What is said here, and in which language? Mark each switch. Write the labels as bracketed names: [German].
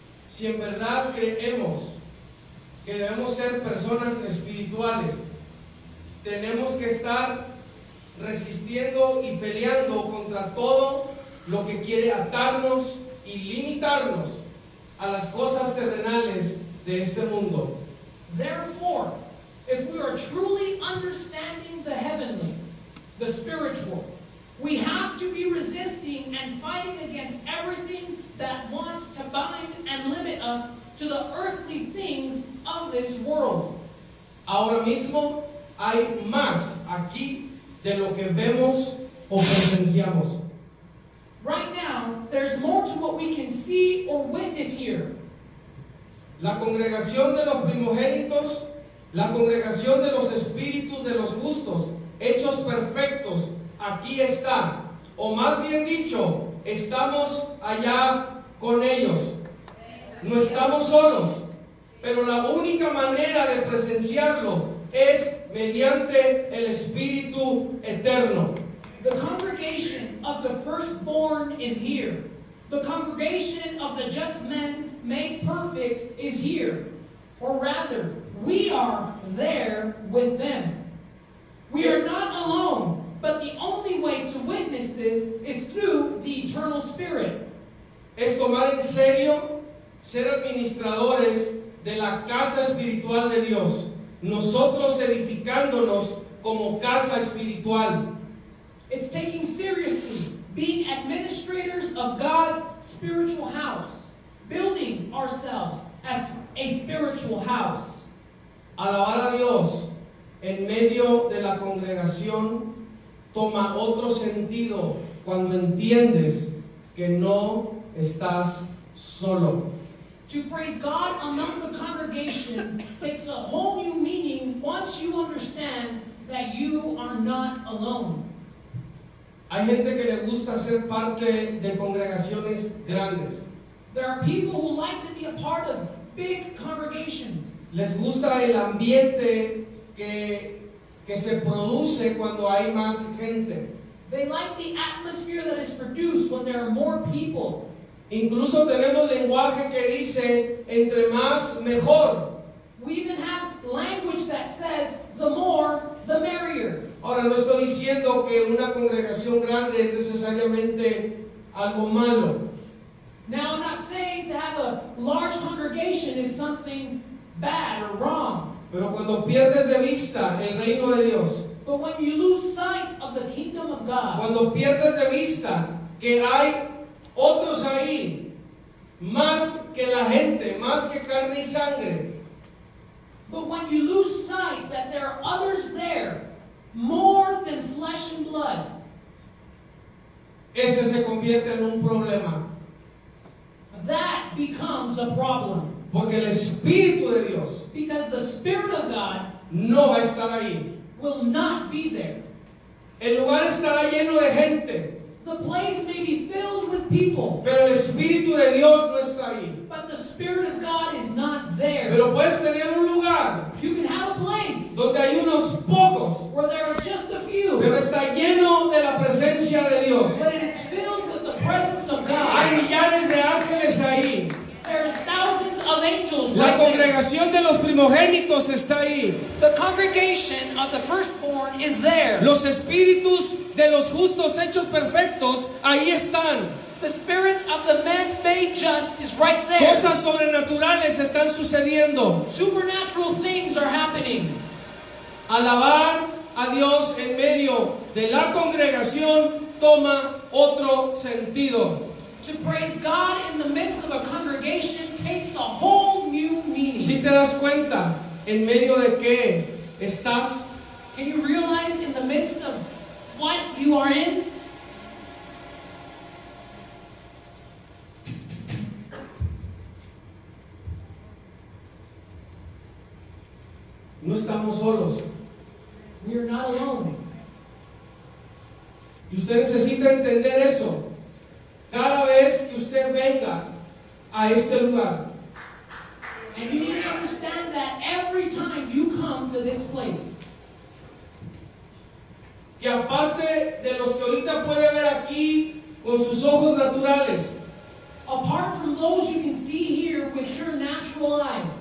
[Spanish] Si en verdad creemos que debemos ser personas espirituales, tenemos que estar resistiendo y peleando contra todo lo que quiere atarnos y limitarnos a las cosas terrenales de este mundo. [English] Therefore, if we are truly understanding the heavenly, the spiritual, we have to be resisting and fighting against everything that wants to bind and limit us to the earthly things of this world. [Spanish] Ahora mismo hay más aquí de lo que vemos o presenciamos. [English] Right now, there's more to what we can see or witness here. [Spanish] La congregación de los primogénitos, la congregación de los espíritus de los justos, hechos perfectos, aquí está, o más bien dicho, estamos allá con ellos. No estamos solos, pero la única manera de presenciarlo es mediante el Espíritu Eterno. [English] The congregation of the firstborn is here. The congregation of the just men made perfect is here. Or rather, we are there with them. We are not alone, but the only way to witness this is through the eternal Spirit. [Spanish] Es tomar en serio ser administradores de la casa espiritual de Dios. Nosotros edificándonos como casa espiritual. [English] It's taking seriously being administrators of God's spiritual house, building ourselves as a spiritual house. [Spanish] Alabar a Dios en medio de la congregación toma otro sentido cuando entiendes que no estás solo. [English] To praise God among the congregation takes a whole new meaning once you understand that you are not alone. [Spanish] Hay gente que le gusta ser parte de congregaciones grandes. [English] There are people who like to be a part of big congregations. [Spanish] Les gusta el ambiente que se produce cuando hay más gente. [English] They like the atmosphere that is produced when there are more people. [Spanish] Incluso tenemos lenguaje que dice entre más mejor. [English] We even have language that says the more, the merrier. [Spanish] Ahora, no estoy diciendo que una congregación grande es necesariamente algo malo. [English] Now, I'm not saying to have a large congregation is something bad or wrong. [Spanish] Pero cuando pierdes de vista el reino de Dios. [English] But when you lose sight of the kingdom of God. [Spanish] Cuando pierdes de vista que hay otros ahí, más que la gente, más que carne y sangre. [English] But when you lose sight that there are others there, more than flesh and blood. [Spanish] Ese se convierte en un problema. [English] That becomes a problem. [Spanish] Porque el Espíritu de Dios. [English] Because the Spirit of God. [Spanish] No va a estar ahí. [English] Will not be there. [Spanish] El lugar estará lleno de gente. [English] The place may be filled with people. [Spanish] Pero el Espíritu de Dios no está ahí. [English] But the Spirit of God is not there. [Spanish] Pero puedes tener un lugar. [English] You can have a place. [Spanish] Donde hay unos pocos. [English] Where there are just a few. [Spanish] Pero está lleno de la presencia de Dios. [English] But it is filled with the presence of God. [Spanish] Hay millares de ángeles ahí. [English] There are thousands of angels. [Spanish] La congregación de los primogénitos está ahí. [English] The congregation of the firstborn is there. [Spanish] Los espíritus de los justos hechos perfectos ahí están. [English] The spirits of the men made just is right there. [Spanish] Cosas sobrenaturales están sucediendo. [English] Supernatural things are happening. [Spanish] Alabar a Dios en medio de la congregación toma otro sentido. [English] To praise God in the midst of a congregation takes a whole new meaning. [Spanish] Si te das cuenta, en medio de qué estás. [English] Can you realize in the midst of what you are in? [Spanish] No estamos solos. [English] We are not alone. [Spanish] Y usted necesita entender eso. Cada vez que usted venga a este lugar. [English] And you need to understand that every time you come to this place. [Spanish] Que aparte de los que ahorita puede ver aquí con sus ojos naturales. [English] Apart from those you can see here with your natural eyes.